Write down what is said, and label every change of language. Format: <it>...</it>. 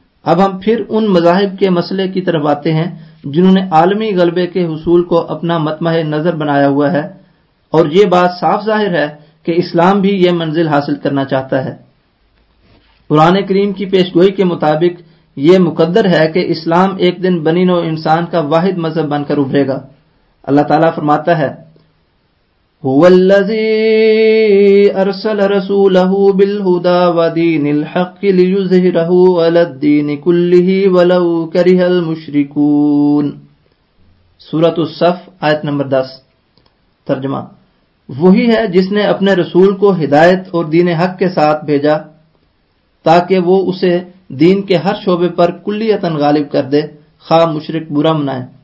<ur>اب ہم پھر ان مذاہب کے مسئلے کی طرف آتے ہیں جنہوں نے عالمی غلبے کے حصول کو اپنا مطمح نظر بنایا ہوا ہے، اور یہ بات صاف ظاہر ہے کہ اسلام بھی یہ منزل حاصل کرنا چاہتا ہے۔ قرآن کریم کی پیشگوئی کے مطابق یہ مقدر ہے کہ اسلام ایک دن بنی نوع انسان کا واحد مذہب بن کر ابھرے گا۔ اللہ تعالیٰ فرماتا ہے،</ur> <ar>هو الذي أرسل رسوله بالهدى ودين الحق ليظهره على الدين كله ولو كره المشركون۔</ar> <ur>سورة الصف آیت نمبر 10۔ ترجمہ، وہی ہے جس نے اپنے رسول کو ہدایت اور دین حق کے ساتھ بھیجا تاکہ وہ اسے دین کے ہر شعبے پر کلیتاً غالب کر دے، خواہ مشرک برا منائے۔</ur>